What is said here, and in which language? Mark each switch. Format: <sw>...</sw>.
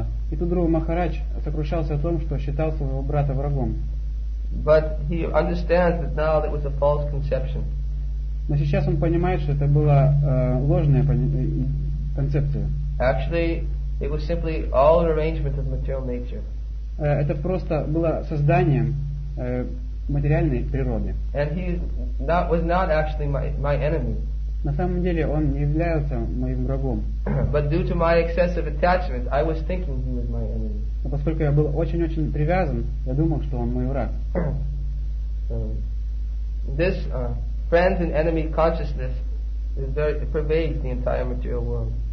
<ru>И тут Друга Махарадж сокрушался о том, что считал своего брата врагом.</ru> <en>But he understands that now it was a false conception.</en> <ru>Но сейчас он понимает, что это была ложная концепция.</ru> <en>Actually, it was simply all an arrangement of material nature.</en> <ru>Это просто было созданием материальной природы.</ru> <en>And he was not actually my enemy.</en> <ru>На самом деле он не являлся моим врагом.</ru> <en>But due to my excessive attachment, I was thinking he was my enemy.</en> <ru>Но поскольку я был очень-очень привязан, я думал, что он мой враг.</ru> <en>This friend and enemy consciousness is very pervades the entire material world.</en>